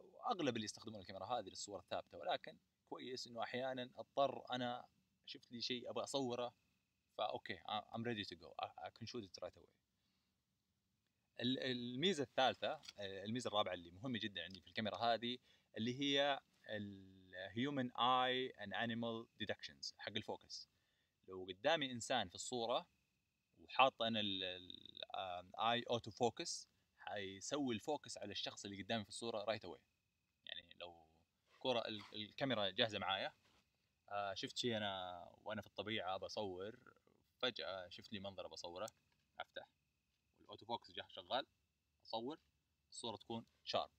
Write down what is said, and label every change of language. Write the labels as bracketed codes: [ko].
[ar] أغلب اللي يستخدمون الكاميرا هذه للصور الثابتة، ولكن كويس إنه أحيانا أضطر أنا شفت لي شيء أبغى أصوره، فأوكي [en] I'm ready to go I can shoot it right away. [ar] الميزة الثالثة، الميزة الرابعة اللي مهمة جدا عندي في الكاميرا هذه اللي هي [en] human eye and animal detections [ar] حق الفوكس. لو قدامي إنسان في الصورة وحاط أنا ال [en] eye auto focus [ar] حيسوي الفوكس على الشخص اللي قدامي في الصورة [en] right away. [ar] يعني لو كرة الكاميرا جاهزة معايا شفت شيء أنا وأنا في الطبيعة بصور فجأة شفت لي منظرة بصوره أفتح والأوتو فوكس جاه شغال أصور الصورة تكون شارب.